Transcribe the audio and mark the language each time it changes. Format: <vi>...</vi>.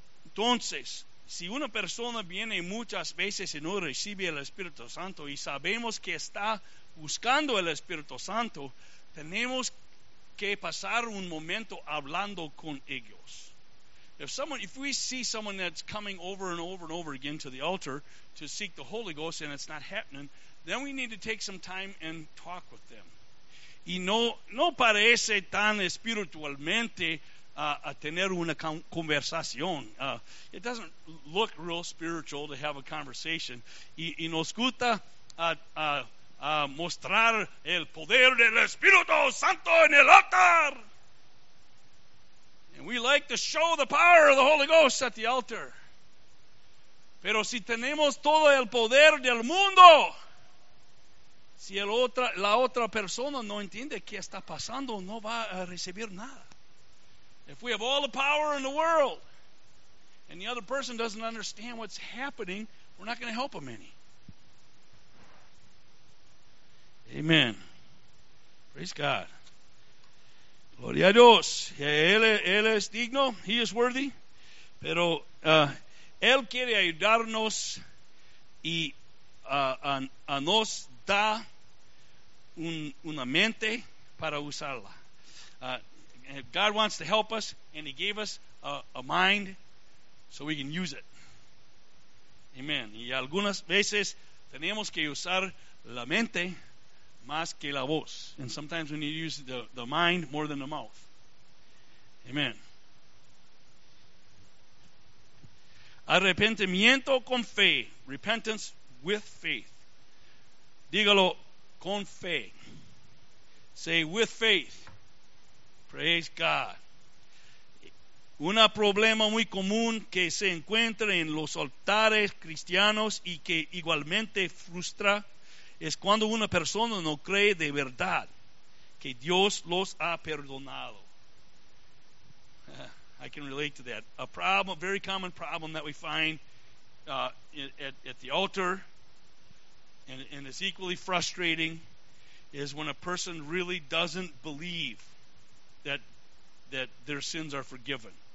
<es>Entonces, si una persona viene muchas veces y no recibe el Espíritu Santo y sabemos que está buscando el Espíritu Santo, tenemos que pasar un momento hablando con ellos.</es> <en>If we see someone that's coming over and over and over again to the altar to seek the Holy Ghost and it's not happening, then we need to take some time and talk with them.</en> <es>Y no parece tan espiritualmente a tener una conversación.</es> <en>It doesn't look real spiritual to have a conversation.</en> <es>Y nos gusta a mostrar el poder del Espíritu Santo en el altar.</es> <en>And we like to show the power of the Holy Ghost at the altar.</en> <es>Pero si tenemos todo el poder del mundo, si el otra, la otra persona no entiende qué está pasando, no va a recibir nada.</es> <en>If we have all the power in the world and the other person doesn't understand what's happening, we're not going to help them any. Amen. Praise God.</en> <es>Gloria a Dios. Él es digno.</es> <en>He is worthy.</en> <es>Pero Él quiere ayudarnos y a nos da una mente para usarla.</es> <en>God wants to help us, and He gave us a mind so we can use it. Amen.</en> <es>Y algunas veces tenemos que usar la mente más que la voz.</es> <en>And sometimes we need to use the mind more than the mouth. Amen.</en> <es>Arrepentimiento con fe.</es> <en>Repentance with faith.</en> <es>Dígalo con fe.</es> <en>Say with faith. Praise God.</en> <es>Un problema muy común que se encuentra en los altares cristianos y que igualmente frustra es cuando una persona no cree de verdad que Dios los ha perdonado.</es> <en>I can relate to that. A problem, a very common problem that we find at the altar, and is equally frustrating, is when a person really doesn't believe that their sins are forgiven.</en>